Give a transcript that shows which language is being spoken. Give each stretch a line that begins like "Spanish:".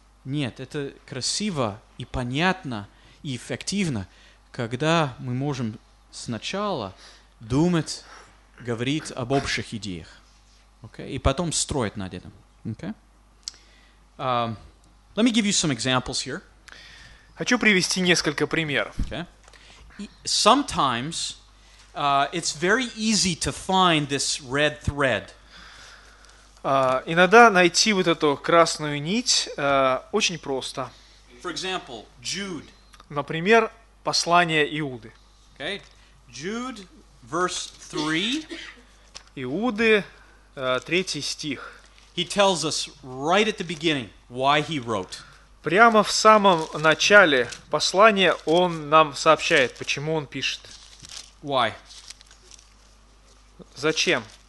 Russian: Нет, это красиво и понятно, и эффективно, когда мы можем сначала думать, говорить об общих идеях.
English: Okay?
Russian: И потом строить над этим.
English: Okay? Let me give you some examples here.
Russian: Хочу привести несколько примеров.
English: Okay. Sometimes it's very easy to find this red thread.
Russian: Иногда найти вот эту красную нить очень просто.
English: For example, Jude.
Russian: Например, послание Иуды.
English: Okay. Jude, verse 3.
Russian: Иуды, третий стих.
English: He tells us right at the beginning why he wrote.
Russian: Прямо в самом начале послания он нам сообщает, почему он пишет.
English: Why?
Russian: Зачем?